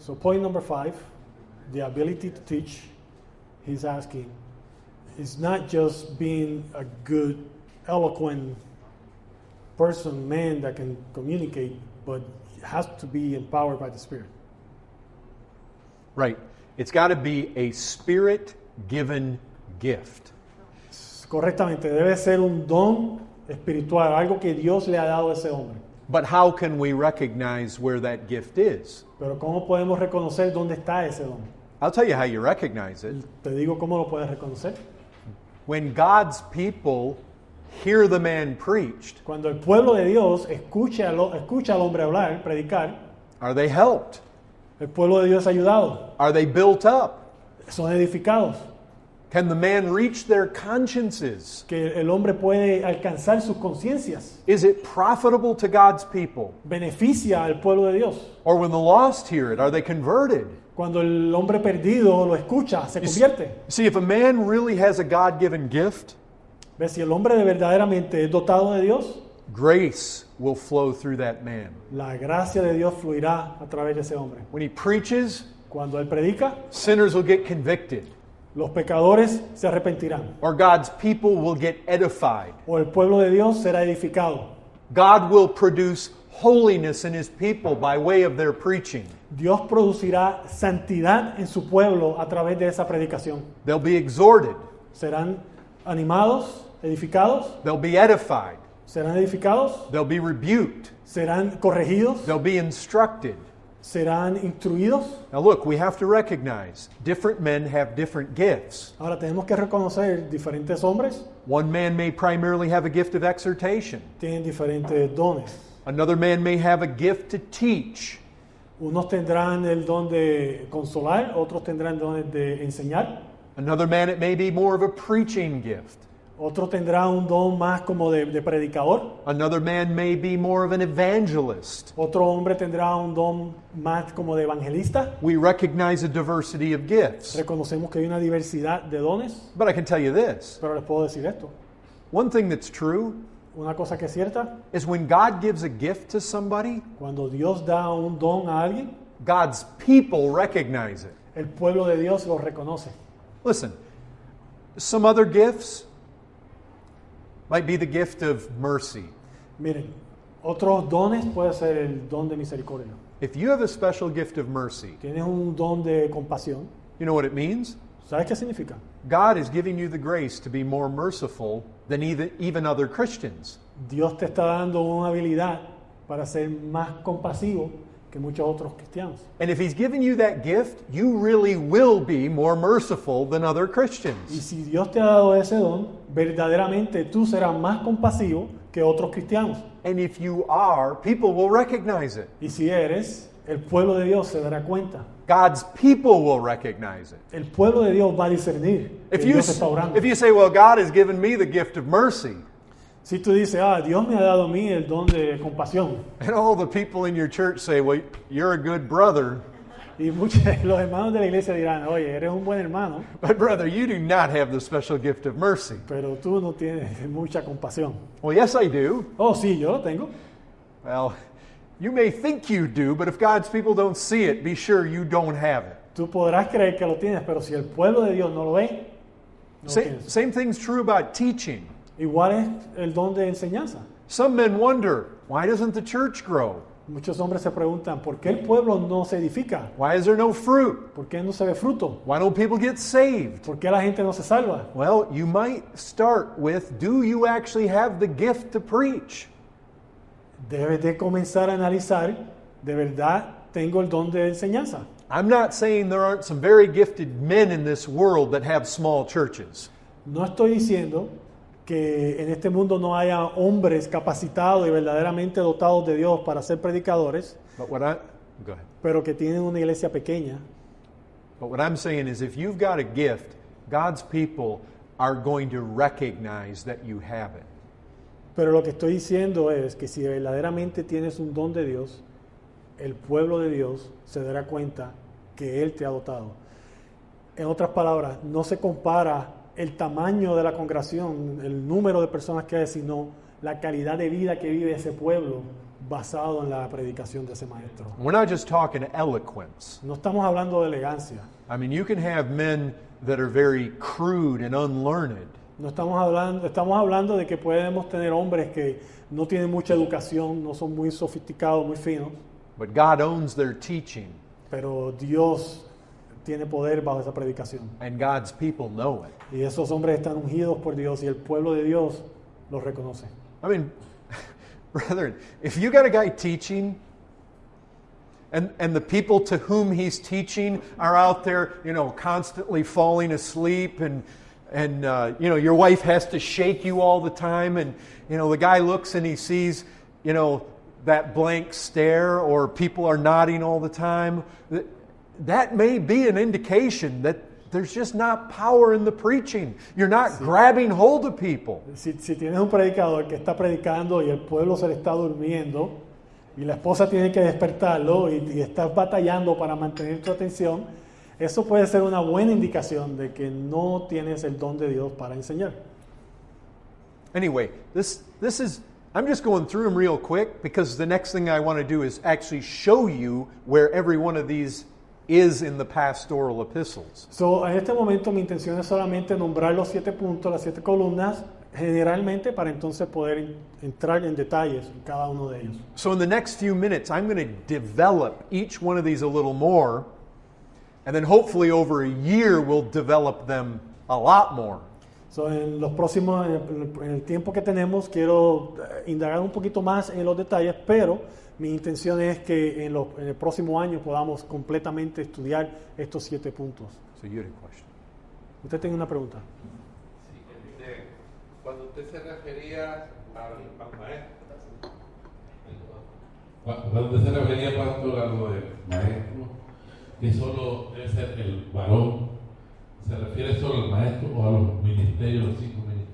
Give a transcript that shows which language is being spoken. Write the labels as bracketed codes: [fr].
[en] So point number 5, the ability to teach, he's asking, is not just being a good, eloquent person, man that can communicate, but has to be empowered by the Spirit. Right. It's got to be a spirit-given gift. [es] Correctamente. Debe ser un don espiritual, algo que Dios le ha dado a ese hombre. [en] But how can we recognize where that gift is? [es] Pero ¿cómo podemos reconocer dónde está ese don? [en] I'll tell you how you recognize it. [es] Te digo cómo lo puedes reconocer. [en] When God's people hear the man preached, [es] cuando el pueblo de Dios escucha al hombre hablar, predicar, [en] are they helped? [es] El pueblo de Dios es ayudado. [en] Are they built up? [es] Son edificados. [en] Can the man reach their consciences? [es] Que el hombre puede alcanzar sus conciencias. [en] Is it profitable to God's people? [es] Beneficia al pueblo de Dios. [en] Or when the lost hear it, are they converted? [es] Cuando el hombre perdido lo escucha, se convierte. [en] See, if a man really has a God-given gift, [es] ¿ves? Si el hombre de verdaderamente es dotado de Dios, [en] grace will flow through that man. [es] La gracia de Dios fluirá a través de ese hombre. [en] When he preaches, [es] cuando él predica, [en] sinners will get convicted. [es] Los pecadores se arrepentirán. [en] Or God's people will get edified. [es] O el pueblo de Dios será edificado. [en] God will produce holiness in his people by way of their preaching. [es] Dios producirá santidad en su pueblo a través de esa predicación. [en] They'll be exhorted. [es] Serán animados, edificados. [en] They'll be edified. [es] Serán edificados. [en] They'll be rebuked. [es] Serán corregidos. [en] They'll be instructed. [es] Serán instruidos. [en] Now look, we have to recognize different men have different gifts. [es] Ahora tenemos que reconocer diferentes hombres. [en] One man may primarily have a gift of exhortation. [es] Tienen diferentes dones. [en] Another man may have a gift to teach. [es] Unos tendrán el don de consolar, otros tendrán dones de enseñar. [en] Another man, it may be more of a preaching gift. [es] Otro tendrá un don más como de predicador. [en] Another man may be more of an evangelist. [es] Otro hombre tendrá un don más como de evangelista. [en] We recognize a diversity of gifts. [es] Reconocemos que hay una diversidad de dones. [en] But I can tell you this. [es] Pero les puedo decir esto. [en] One thing that's true. [es] Una cosa que es cierta. [en] Is when God gives a gift to somebody. [es] Cuando Dios da un don a alguien. [en] God's people recognize it. [es] El pueblo de Dios lo reconoce. [en] Listen. Some other gifts. Might be the gift of mercy. [es] Miren, otros dones puede ser el don de misericordia. [en] If you have a special gift of mercy, [es] tienes un don de compasión. [en] You know what it means? [es] ¿Sabes qué significa? [en] God is giving you the grace to be more merciful than even other Christians. [es] Dios te está dando una habilidad para ser más compasivo que muchos otros cristianos. [en] And if he's giving you that gift, you really will be more merciful than other Christians. [es] Y si Dios te ha dado ese don, verdaderamente tú serás más compasivo que otros cristianos. [en] And if you are, people will recognize it. [es] Y si eres, el pueblo de Dios se dará cuenta. [en] God's people will recognize it. [es] El pueblo de Dios va a discernir que Dios está orando. [en] If you say, well, God has given me the gift of mercy. [es] Si tú dices, ah, Dios me ha dado a mí el don de compasión. [en] And all the people in your church say, well, you're a good brother. [es] Y muchos de los hermanos de la iglesia dirán, oye, eres un buen hermano. [en] But brother, you do not have the special gift of mercy. [es] Pero tú no tienes mucha compasión. [en] Well, yes, I do. [es] Oh, sí, yo lo tengo. [en] Well, you may think you do, but if God's people don't see it, be sure you don't have it. [es] Tú podrás creer que lo tienes, pero si el pueblo de Dios no lo ve, [en] Same thing's true about teaching. [es] Igual es el don de enseñanza. [en] Some men wonder, why doesn't the church grow? [es] Muchos hombres se preguntan, ¿por qué el pueblo no se edifica? [en] Why is there no fruit? [es] ¿Por qué no se ve fruto? [en] Why don't people get saved? [es] ¿Por qué la gente no se salva? [en] Well, you might start with, do you actually have the gift to preach? [es] Debes de comenzar a analizar, ¿de verdad tengo el don de enseñanza? [en] I'm not saying there aren't some very gifted men in this world that have small churches. [es] No estoy diciendo que en este mundo no haya hombres capacitados y verdaderamente dotados de Dios para ser predicadores, pero que tienen una iglesia pequeña. [en] But what I'm saying is if you've got a gift, God's people are going to recognize that you have it. [es] Pero lo que estoy diciendo es que si verdaderamente tienes un don de Dios, el pueblo de Dios se dará cuenta que Él te ha dotado. En otras palabras, no se compara el tamaño de la congregación, el número de personas que hay, sino la calidad de vida que vive ese pueblo basado en la predicación de ese maestro. [en] We're not just talking eloquence. [es] No estamos hablando de elegancia. [en] I mean, you can have men that are very crude and unlearned. [es] No estamos hablando, de que podemos tener hombres que no tienen mucha educación, no son muy sofisticados, muy finos. [en] But God owns their teaching. [es] Pero Dios tiene poder bajo esa predicación. [en] And God's people know it. [es] Y esos hombres están ungidos por Dios y el pueblo de Dios los reconoce. [en] I mean, brethren, if you got a guy teaching and the people to whom he's teaching are out there, you know, constantly falling asleep and your wife has to shake you all the time and, you know, the guy looks and he sees, you know, that blank stare or people are nodding all the time, that may be an indication that there's just not power in the preaching. You're not grabbing hold of people. [es] Si tienes un predicador que está predicando y el pueblo se le está durmiendo y la esposa tiene que despertarlo y estás batallando para mantener tu atención, eso puede ser una buena indicación de que no tienes el don de Dios para enseñar. [en] Anyway, this is, I'm just going through them real quick because the next thing I want to do is actually show you where every one of these is in the pastoral epistles. [es] So, en este momento mi intención es solamente nombrar los siete puntos, las siete columnas, generalmente para entonces poder entrar en detalles en cada uno de ellos. [en] So, in the next few minutes, I'm going to develop each one of these a little more, and then hopefully over a year we'll develop them a lot more. [es] So, en los próximos, en el tiempo que tenemos, quiero indagar un poquito más en los detalles, pero mi intención es que en el próximo año podamos completamente estudiar estos siete puntos. [en] So you have a question. [es] Usted tiene una pregunta. Sí, cuando usted se refería al maestro, cuando usted se refería, pastor, a lo de maestro, que solo debe ser el varón, ¿se refiere solo al maestro o a los ministerios, los cinco ministerios?